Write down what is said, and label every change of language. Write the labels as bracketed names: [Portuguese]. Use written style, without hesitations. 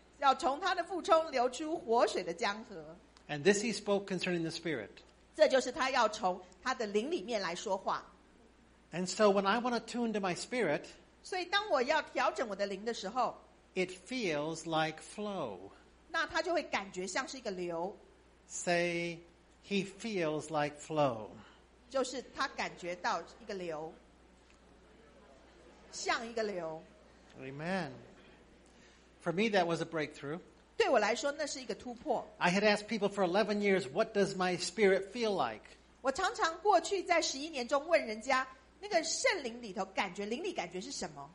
[Chinese] 要从他的腹中流出活水的江河。 [English] And this he spoke concerning the Spirit. [Chinese] 这就是他要从他的灵里面来说话。 [English] And so when I want to tune to my spirit, [Chinese] 所以当我要调整我的灵的时候， [English] it feels like flow. [Chinese] 那他就会感觉像是一个流。 [English] Say, he feels like flow. [Chinese] 就是他感觉到一个流，像一个流。 [English] Amen. For me, that was a breakthrough. [Chinese] 对我来说，那是一个突破。 [English] I had asked people for 11 years, "What does my spirit feel like?" [Chinese] 我常常过去在十一年中问人家，那个圣灵里头感觉，灵里感觉是什么